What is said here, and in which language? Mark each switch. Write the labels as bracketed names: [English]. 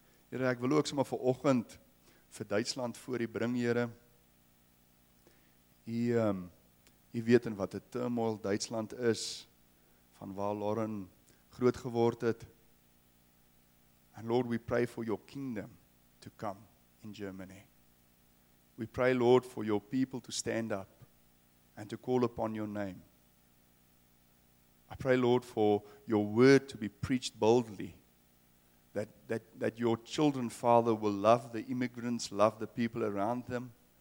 [Afrikaans] Here, ek wil ook sommer vanoggend vir Duitsland voor u bring, Here. U weet in wat 'n turmoil Duitsland is, van waar Lauren groot geword het. [English] And Lord, we pray for your kingdom to come in Germany. We pray, Lord, for your people to stand up and to call upon your name. I pray, Lord, for your word to be preached boldly, that your children, Father, will love the immigrants, love the people around them,